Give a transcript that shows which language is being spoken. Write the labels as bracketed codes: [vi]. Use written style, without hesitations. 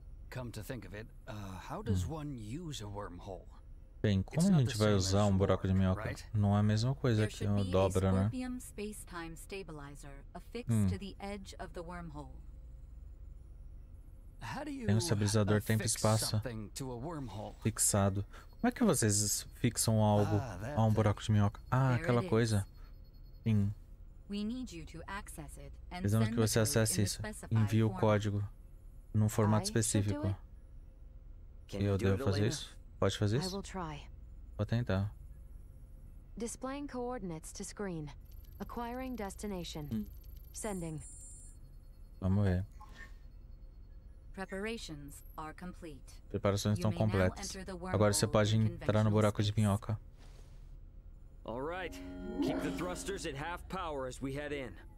[en] Come to think of it, how does one use a wormhole? [pt] Bem, como a gente vai usar um buraco de minhoca? Não é a mesma coisa que uma dobra, né? [en] Scorpion space-time stabilizer affixed to the edge of the wormhole. How do you fix something to a wormhole? [pt] Fixado. Como é que vocês fixam algo a um buraco de minhoca? Ah, aquela coisa. Sim. [en] We need you to access it and [pt] precisamos que você acesse isso. Envie o código. Num formato específico. Eu devo fazer isso? Pode fazer isso? Vou tentar. [en] Displaying coordinates to screen. Acquiring destination. Sending. [pt] Vamos ver. [en] Preparations are complete. [pt] Preparações estão completas. Agora você pode entrar no buraco de minhoca. [en] All right. Keep the thrusters at half power as we head in.